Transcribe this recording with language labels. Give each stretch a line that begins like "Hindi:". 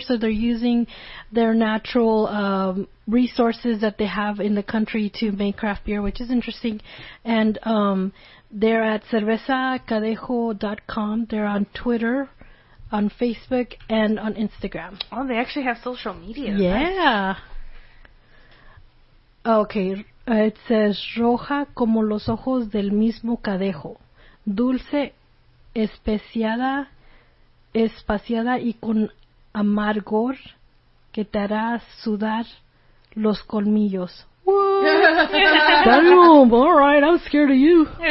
English: So they're using their natural resources that they have in the country to make craft beer, which is interesting. And they're at cervezacadejo.com. They're on Twitter, on Facebook, and on Instagram. Oh, they actually have social media. Yeah. Nice. Okay.
Spanish: It says, Roja como los ojos del mismo Cadejo. Dulce, especiada y con amargor que te hará sudar los colmillos.
English: Damn, all right, I'm scared of you.